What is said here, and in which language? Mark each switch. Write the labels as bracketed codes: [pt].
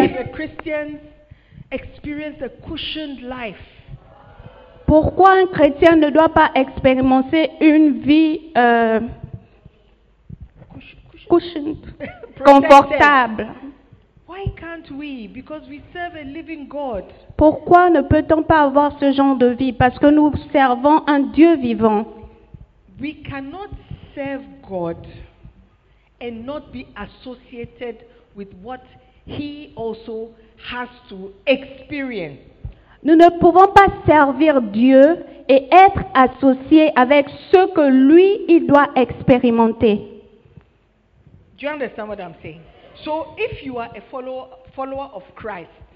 [en] Why Christians experience a cushioned life? [fr] Pourquoi un chrétien ne doit pas expérimenter une vie cushioned, confortable? [en] Why can't we? Because we serve a living God. [fr] Pourquoi ne peut-on pas avoir ce genre de vie? Parce que nous servons un Dieu vivant. [en] We cannot serve God and not be associated with what he also has to experience. [fr] Nous ne pouvons pas servir Dieu et être associés avec ce que lui, il doit expérimenter. [en] Do you understand what I'm saying? So if you are a follower of Christ,